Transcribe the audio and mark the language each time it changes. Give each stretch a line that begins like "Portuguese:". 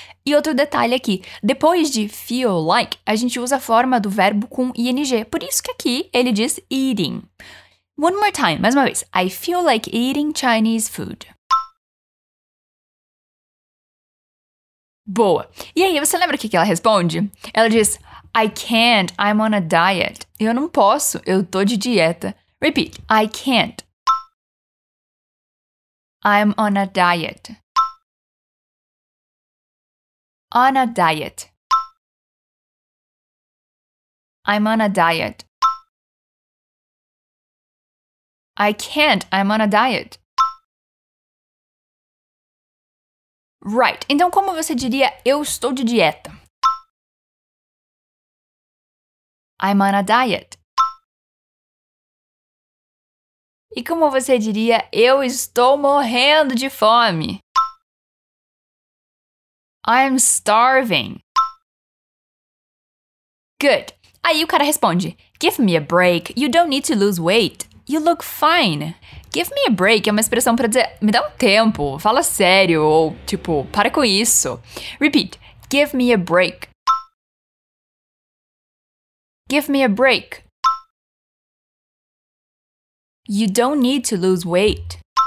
Portuguese: E outro detalhe aqui, depois de feel like, a gente usa a forma do verbo com ing. Por isso que aqui ele diz eating.
English: One more time,
Portuguese: mais uma vez.
English: I feel like eating Chinese food.
Portuguese: Boa. E aí, você lembra o que ela responde? Ela diz,
English: I can't, I'm on a diet.
Portuguese: Eu não posso, eu tô de dieta.
English: Repeat, I can't. I'm on a diet. On a diet. I'm on a diet. I can't, I'm on a diet.
Portuguese: Right, então como você diria eu estou de dieta?
English: I'm on a diet.
Portuguese: E como você diria eu estou morrendo de fome?
English: I'm starving. Good.
Portuguese: Aí o cara responde,
English: give me a break, you don't need to lose weight, you look fine. Give me a break
Portuguese: é uma expressão para dizer, me dá um tempo, fala sério, ou tipo, para com isso.
English: Repeat, give me a break. Give me a break. You don't need to lose weight.